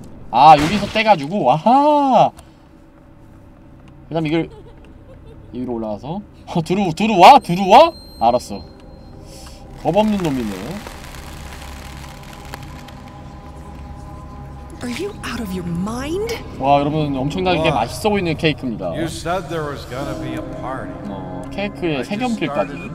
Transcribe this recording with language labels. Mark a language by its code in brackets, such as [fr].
[ko] 아, 여기서 떼가지고, 아하! 그 다음 이걸, 여기로 올라와서. 어, 들어와? 들어와? 알았어. 법 없는 놈이네. [en] Are you out of your mind? [ko] 와, 여러분 엄청나게 맛있어 보이는 케이크입니다. [en] You said there was gonna be a party. [ko] 어, 케이크에 색연필까지.